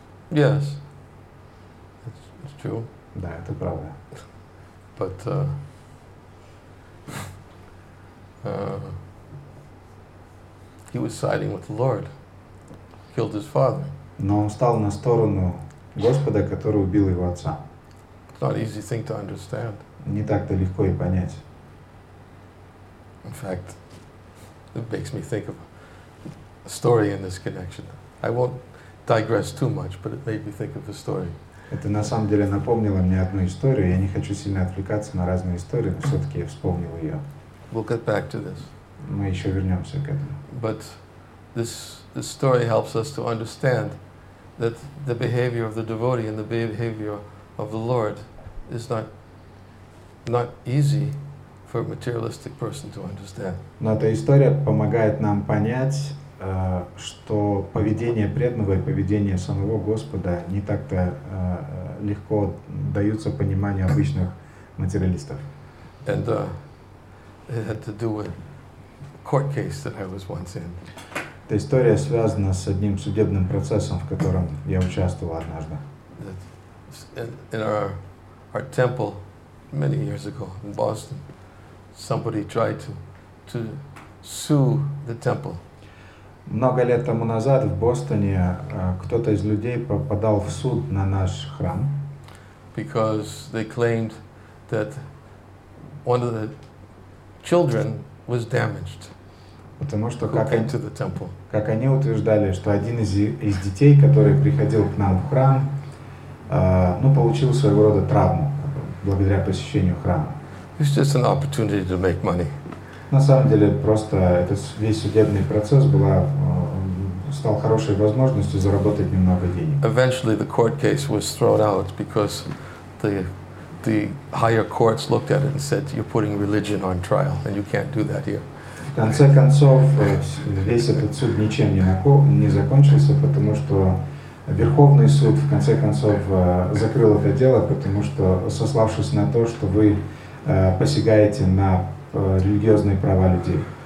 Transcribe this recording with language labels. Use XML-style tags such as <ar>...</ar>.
<en>Yes, it's true.</en> <ru>Да, это правда.</ru> <en>But he was siding with the Lord. Killed his father.</en> <ru>Но он стал на сторону Господа, который убил его отца.</ru> <en>It's not an easy thing to understand.</en> <ru>Не так-то легко и понять.</ru> <en>In fact, it makes me think of story in this connection. I won't digress too much, but it made me think of a story.</en> <ru>Это на самом деле напомнило мне одну историю. Я не хочу сильно отвлекаться на разные истории, но все-таки я вспомнил ее.</ru> <en>We'll get back to this.</en> <ru>Мы еще вернемся к этому.</ru> <en>But this story helps us to understand that the behavior of the devotee and the behavior of the Lord is not easy for a materialistic person to understand.</en> <ru>Но эта история помогает нам понять, что поведение преданного и поведение самого Господа не так-то легко даются пониманию обычных материалистов.</ru> <en>And it had to do with a court case that I was once in.</en> <ru>Эта история связана с одним судебным процессом, в котором я участвовал однажды.</ru> <en>In our temple many years ago in Boston, somebody tried to sue the temple.</en> <ru>Много лет тому назад в Бостоне кто-то из людей попадал в суд на наш храм.</ru> <en>Because they claimed that one of the children was damaged.</en> <ru>Потому что как они утверждали, что один из детей, который приходил к нам в храм, получил своего рода травму благодаря посещению храма.</ru> <en>It's just an opportunity to make money.</en> <ru>На самом деле, просто этот весь судебный процесс стал хорошей возможностью заработать немного денег.</ru> <en>Eventually the court case was thrown out because the higher courts looked at it and said, you're putting religion on trial and you can't do that here.</en> <ru>В конце концов, весь этот суд ничем не закончился, потому что Верховный суд, в конце концов, закрыл это дело, потому что, сославшись на то, что вы посягаете на религиозные права людей.</ru>